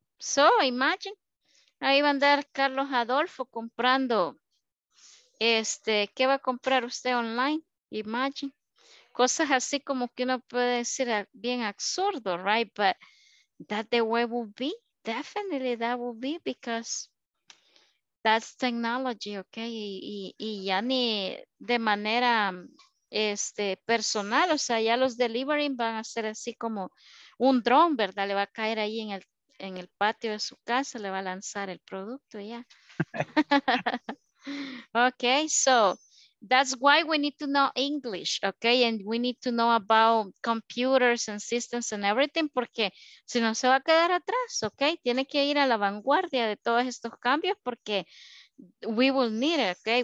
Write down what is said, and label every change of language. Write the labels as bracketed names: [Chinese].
[English] So imagine, [Spanish] ahí va a andar Carlos Adolfo comprando, ¿qué va a comprar usted online? Imagine, cosas así como que uno puede decir bien absurdo, right? [English] But that the way will be, definitely that will be because that's technology, okay? [Spanish] Y ya ni de manera personal, o sea, ya los delivering van a ser así como un drone, ¿verdad? Le va a caer ahí en el patio de su casa, le va a lanzar el producto, ya. [English] Okay, so that's why we need to know English, okay? And we need to know about computers and systems and everything, [Spanish] porque si no se va a quedar atrás, [English] okay? Tiene que ir a la vanguardia de todos estos cambios porque we will need it, okay?